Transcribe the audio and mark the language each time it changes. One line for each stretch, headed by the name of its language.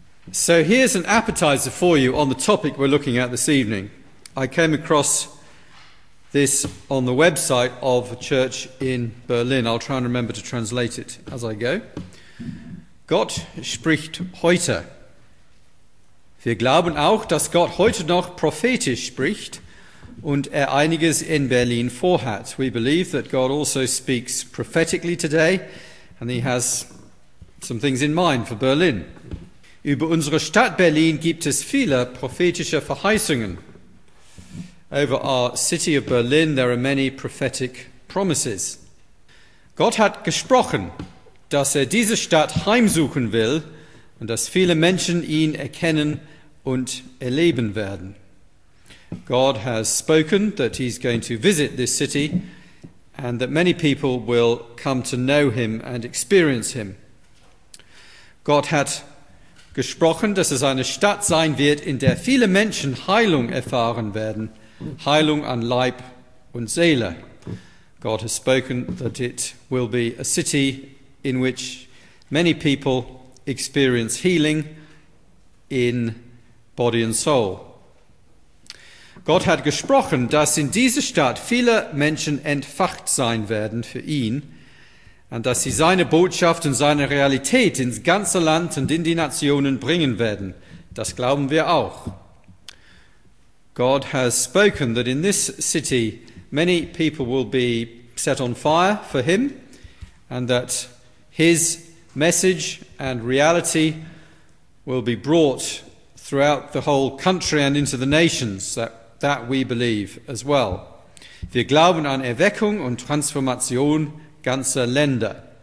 English: So here's an appetizer for you on the topic we're looking at this evening. I came across this on the website of a church in Berlin. I'll try and remember to translate it as I go.
German: Gott spricht heute. Wir glauben auch, dass Gott heute noch prophetisch spricht und einiges in Berlin vorhat.
English: We believe that God also speaks prophetically today and he has some things in mind for Berlin.
German: Über unsere Stadt Berlin gibt es viele prophetische Verheißungen.
English: Over our city of Berlin, there are many prophetic promises.
German: Gott hat gesprochen, dass diese Stadt heimsuchen will und dass viele Menschen ihn erkennen und erleben werden.
English: God has spoken that he's going to visit this city and that many people will come to know him and experience him.
German: Gott hat gesprochen, dass es eine Stadt sein wird, in der viele Menschen Heilung erfahren werden. Heilung an Leib und Seele.
English: God has spoken that it will be a city in which many people experience healing in body and soul.
German: Gott hat gesprochen, dass in dieser Stadt viele Menschen entfacht sein werden für ihn und dass sie seine Botschaft und seine Realität ins ganze Land und in die Nationen bringen werden. Das glauben wir auch.
English: God has spoken that in this city many people will be set on fire for him and that his message and reality will be brought throughout the whole country and into the nations, that we believe as well.
German: Wir glauben an Erweckung und Transformation ganzer Länder.